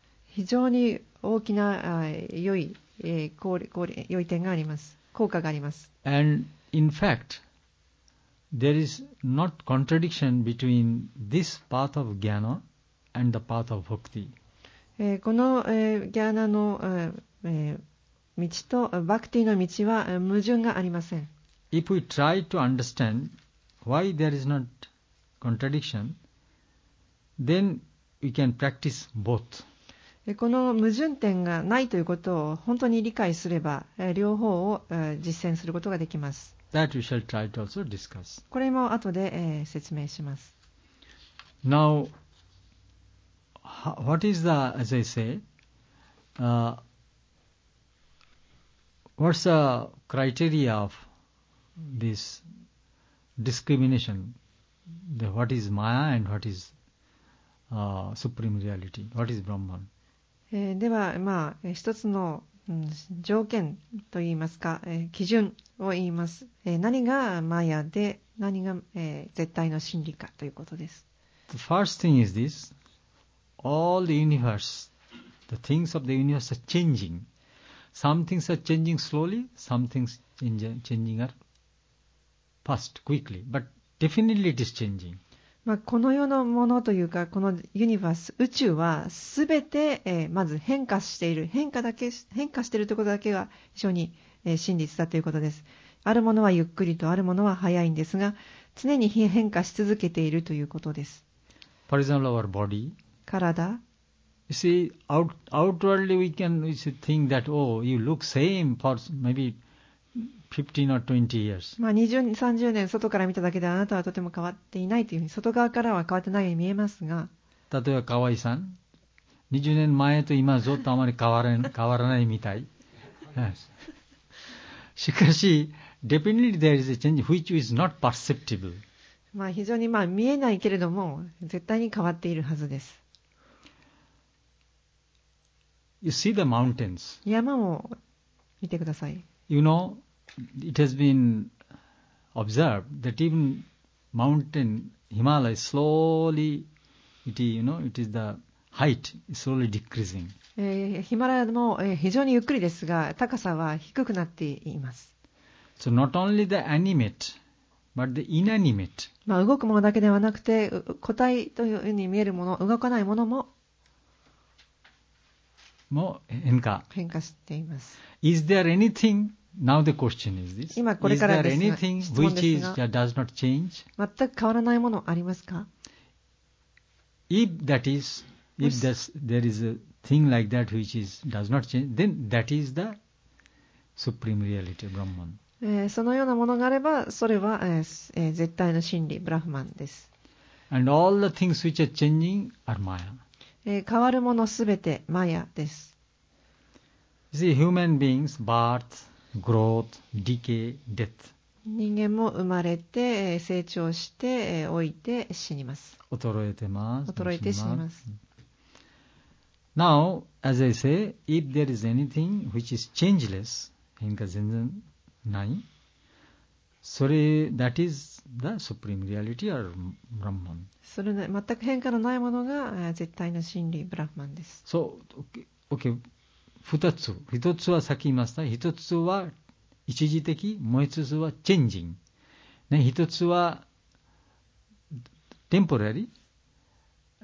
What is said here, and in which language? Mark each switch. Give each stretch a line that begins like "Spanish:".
Japanese: 非常に大きな良い点があります、効果があります。
English: And in fact, there is not contradiction between this path of jnana and the path of bhakti.
Japanese: この jnana の道と bhakti の道は矛盾がありません。
English: If we try to understand why there is not contradiction, then we can practice both.
Japanese: この矛盾点がないということを本当に理解すれば、両方を実践することができます。
English: That we shall try to also discuss.
Japanese: これも後で説明します。
English: Now, what is the, as I say, what's the criteria of this discrimination? What is Maya and what is Supreme Reality? What is Brahman?
Japanese: では、まあ、一つの、条件といいますか、基準を言います。何がマヤで、何が、絶対の真理かということです。
English: The first thing is this. All the universe, the things of the universe are changing. Some things are changing slowly, some things changing are fast, quickly. But definitely it is changing.
Japanese: まあ、この世のものというか、このユニバース、宇宙はすべて、まず変化している、変化しているということだけが非常に、真実だということです。あるものはゆっくりと、あるものは早いんですが、常に変化し続けているということです。
English: For example, our body.
Japanese: 体。
English: You see, outwardly we can think that, oh, you look same for maybe 15 or 20 years.
Japanese: まあ20、30年外から見ただけであなたはとても変わっていないというふうに、外側からは変わってないように見えますが、例えば河合さん、20年前と今ぞとあまり変わらないみたい。しかし、
English: definitely there is a change which is not perceptible.
Japanese: まあ非常にまあ見えないけれども、絶対に変わっているはずです。
English: You see the mountains.
Japanese: 山を見てください。
English: You know,It has been observed that even mountain Himalaya slowly, it is the height slowly decreasing.
Japanese: Himalaya も非常にゆっくりですが、高さは低くなっています。
English: So not only the animate, but the inanimate.
Japanese: まあ動くものだけではなくて、固体というふうに見えるもの、動かないものも。も変化。変化しています。
English: Is there anything? Now the question is this.
Japanese: 今これからですが、質問ですが、
English: Is there anything which is, does not change?
Japanese: 全く変わらないものありますか?
English: If that is, if this, there is a thing like that which is, does not change, then that is the supreme reality, Brahman.
Japanese: そのようなものがあれば、それは、絶対の真理、ブラフマンです。
English: And all the things which are changing are Maya.
Japanese: 変わるものすべて、マヤです。
English: You see, human beings, birth,Growth, decay, death.
Japanese: 人間も生まれて成長して老いて死にます。衰えてます。衰えて死にます。
English: Now, as I say, if there is anything which is changeless,
Japanese: 変化全然ない、それ
English: that is the supreme reality or Brahman.
Japanese: それ全く変化のないものが絶対の真理、ブラフマンです。
English: So, okay.
Japanese: 二つ。一つは先言いました。一つは一時的、もう一つはチェンジン。ね、一つはテンポラリー。